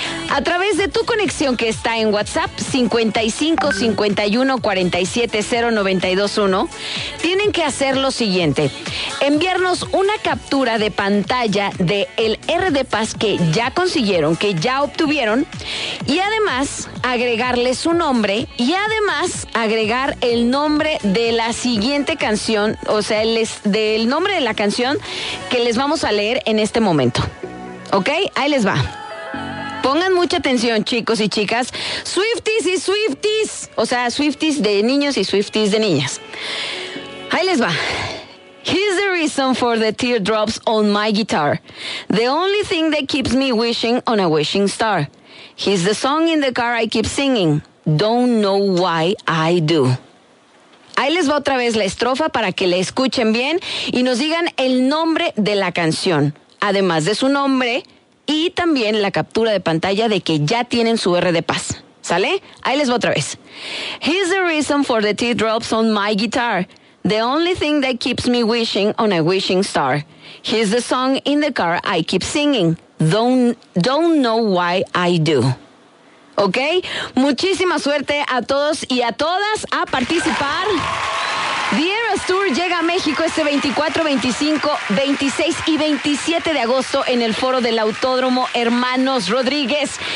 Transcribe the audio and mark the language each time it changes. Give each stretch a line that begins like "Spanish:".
Spanish: A través de tu conexión que está en WhatsApp, 55 51 47 0 92 1, tienen que hacer lo siguiente: enviarnos una captura de pantalla de el RD Pass que ya consiguieron, que ya obtuvieron, y además agregarle su nombre y además agregar el nombre de la siguiente canción, o sea, el nombre de la canción que les vamos a leer en este momento. ¿Ok? Ahí les va. Pongan mucha atención, chicos y chicas. Swifties y Swifties. O sea, Swifties de niños y Swifties de niñas. Ahí les va.
English: He's the reason for the teardrops on my guitar. The only thing that keeps me wishing on a wishing star. He's the song in the car I keep singing. Don't know why I do.
Spanish: Ahí les va otra vez la estrofa para que la escuchen bien y nos digan el nombre de la canción. Además de su nombre... y también la captura de pantalla de que ya tienen su RD Pass. ¿Sale? Ahí les va otra vez.
English: He's the reason for the teardrops on my guitar. The only thing that keeps me wishing on a wishing star. He's the song in the car I keep singing. Don't know why I do. ¿Ok?
Spanish: Muchísima suerte a todos y a todas a participar. The Eras Tour llega a México este 24, 25, 26 y 27 de agosto en el foro del Autódromo Hermanos Rodríguez.